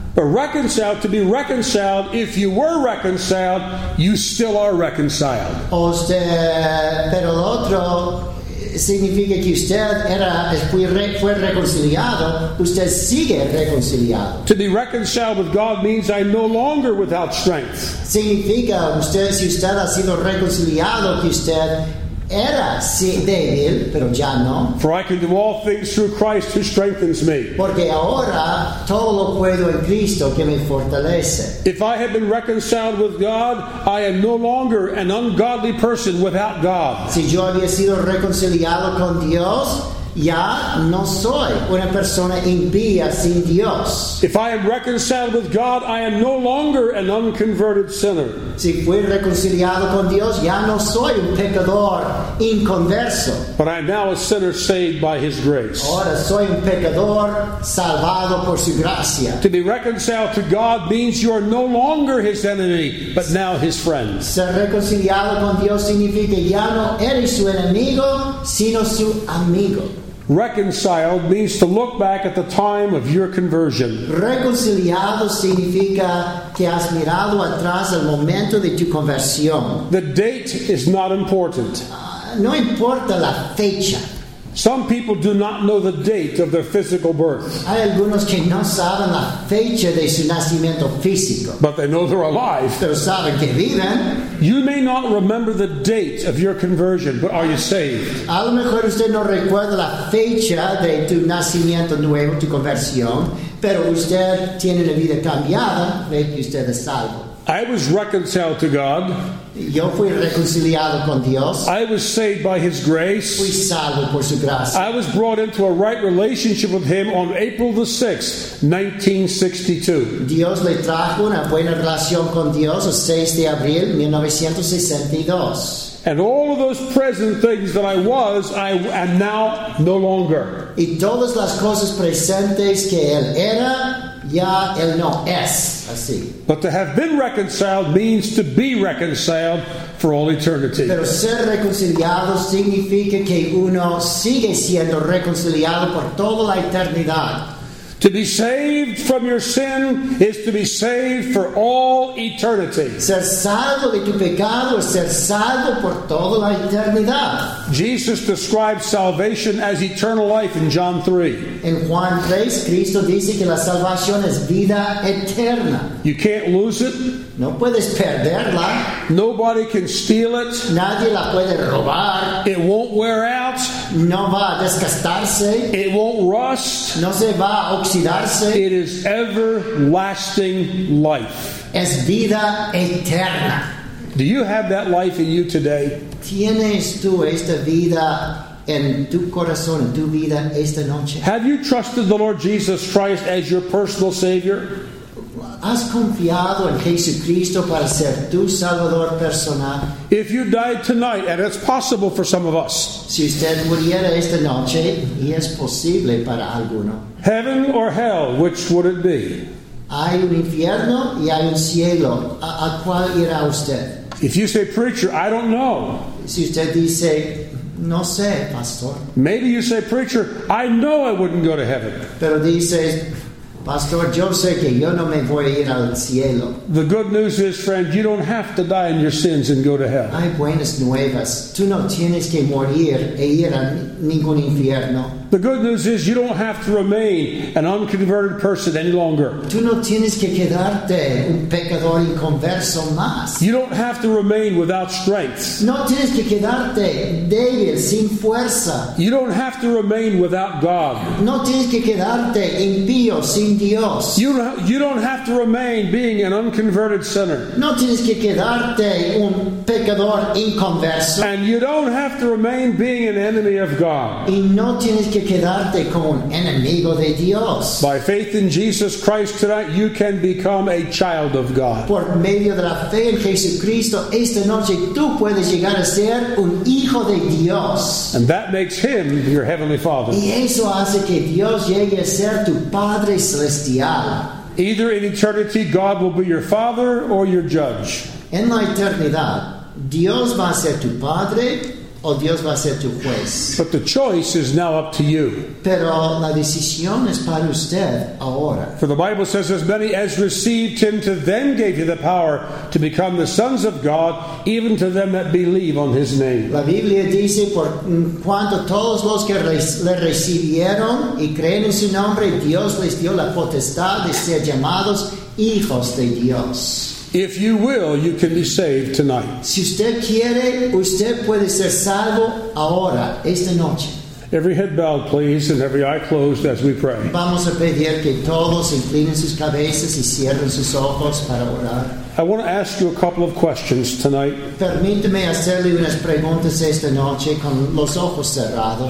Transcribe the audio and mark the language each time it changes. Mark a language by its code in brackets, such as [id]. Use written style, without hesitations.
[en] But reconciled, to be reconciled, if you were reconciled, you still are reconciled. [es] O usted, pero el otro significa que usted era, fue reconciliado, usted sigue reconciliado. [en] To be reconciled with God means I'm no longer without strength. [es] Significa usted, si usted ha sido reconciliado, que usted era débil, pero ya no. [en] For I can do all things through Christ who strengthens me. [es] Porque ahora todo lo puedo en Cristo que me fortalece. [en] If I have been reconciled with God, I am no longer an ungodly person without God. [es] Si yo había sido reconciliado con Dios, ya no soy una persona impía sin Dios. [en] If I am reconciled with God, I am no longer an unconverted sinner. [es] Si fui reconciliado con Dios, ya no soy un pecador inconverso. [en] But I am now a sinner saved by His grace. [es] Ahora soy un pecador salvado por su gracia. [en] To be reconciled to God means you are no longer His enemy, but now His friend. [es] Ser reconciliado con Dios significa ya no eres su enemigo, sino su amigo. [en] Reconciled means to look back at the time of your conversion. [es] Reconciliado significa que has mirado atrás al momento de tu conversión. [en] The date is not important. [es] No importa la fecha. [en] Some people do not know the date of their physical birth. [es] Hay algunos que no saben la fecha de su nacimiento físico. [en] But they know they're alive. [es] Pero saben que viven. [en] You may not remember the date of your conversion, but are you saved? [es] A lo mejor usted no recuerda la fecha de tu nacimiento nuevo, tu conversión, pero usted tiene la vida cambiada, ve que usted es salvo. [en] I was reconciled to God. [es] Yo fui reconciliado con Dios. [en] I was saved by His grace. [es] Fui salvo por su gracia. [en] I was brought into a right relationship with Him on April the 6th, 1962. [es] Dios le trajo una buena relación con Dios el 6 de abril, 1962. [en] And all of those present things that I was, I am now no longer. [es] Y todas las cosas presentes que él era, ya él no es. [en] But to have been reconciled means to be reconciled for all eternity. [es] Pero ser reconciliado significa que uno sigue siendo reconciliado por toda la eternidad. [en] To be saved from your sin is to be saved for all eternity. [es] Ser salvo de tu pecado es ser salvo por toda la eternidad. [en] Jesus describes salvation as eternal life in John 3. [es] En Juan 3, Cristo dice que la salvación es vida eterna. [en] You can't lose it. [es] No puedes perderla. [en] Nobody can steal it. [es] Nadie la puede robar. [en] It won't wear out. [es] No va a desgastarse. [en] It won't rust. [es] No se va a oxidarse. [en] It is everlasting life. [es] Es vida eterna. [en] Do you have that life in you today? [es] ¿Tienes tú esta vida en tu corazón, en tu vida esta noche? [en] Have you trusted the Lord Jesus Christ as your personal Savior? [es] ¿Has confiado en Jesucristo para ser tu Salvador personal? [en] If you died tonight, and it's possible for some of us, [es] si usted muriera esta noche, y es posible para alguno, [en] heaven or hell, which would it be? [es] Hay un infierno y hay un cielo. ¿A cuál irá usted? [en] If you say, preacher, I don't know. [es] Si usted dice, no sé, pastor. [en] Maybe you say, preacher, I know I wouldn't go to heaven. [es] Pero dice, pastor, yo sé que yo no me voy a ir al cielo. [en] The good news is, friend, you don't have to die in your sins and go to hell. [es] Hay buenas nuevas. Tú no tienes que morir e ir a ningún infierno. [en] The good news is, you don't have to remain an unconverted person any longer. [es] Tú no tienes que quedarte un pecador inconverso más. [en] You don't have to remain without strength. [es] No tienes que quedarte débil, sin fuerza. [en] You don't have to remain without God. [es] No tienes que quedarte impío, sin Dios. [en] You don't have to remain being an unconverted sinner. [es] No tienes que quedarte un pecador inconverso. [en] And you don't have to remain being an enemy of God. [es] Y no tienes que quedarte como un enemigo de Dios. [en] By faith in Jesus Christ tonight, you can become a child of God. [es] Por medio de la fe en Jesucristo, esta noche tú puedes llegar a ser un hijo de Dios. [en] And that makes him your heavenly father. [es] Y eso hace que Dios llegue a ser tu padre celestial. [en] Either in eternity, God will be your father or your judge. [es] En la eternidad, Dios va a ser tu padre. Dios va a ser tu juez. [en] But the choice is now up to you. [es] Pero la decisión es para usted ahora. [en] For the Bible says, as many as received him, to them gave he the power to become the sons of God, even to them that believe on his name. [es] La Biblia dice, por cuanto todos los que le recibieron y creen en su nombre, Dios les dio la potestad de ser llamados hijos de Dios. [en] If you will, you can be saved tonight. [es] Si usted quiere, usted puede ser salvo ahora, esta noche. [en] Every head bowed, please, and every eye closed as we pray. [es] Vamos a pedir que todos inclinen sus cabezas y cierren sus ojos para orar. [en] I want to ask you a couple of questions tonight. [es] Permíteme hacerle unas preguntas esta noche con los ojos cerrados.